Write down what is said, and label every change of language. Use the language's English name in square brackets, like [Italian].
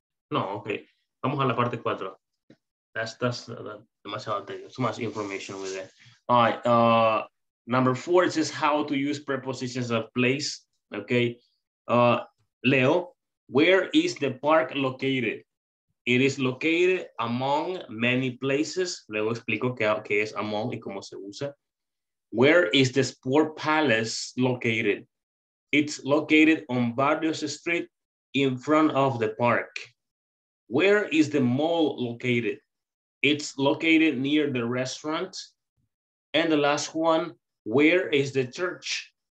[Spanish] No, okay. Vamos a la parte 4. [English] That's too much information with it. All right, number 4 is how to use prepositions of place, okay? Leo, where is the park located? It is located among many places. [Spanish] Luego explico qué es among y cómo se usa. [English] Where is the Sport Palace located? It's located on Barrios Street in front of the park. Where is the mall located? It's located near the restaurant. And the last one, where is the church?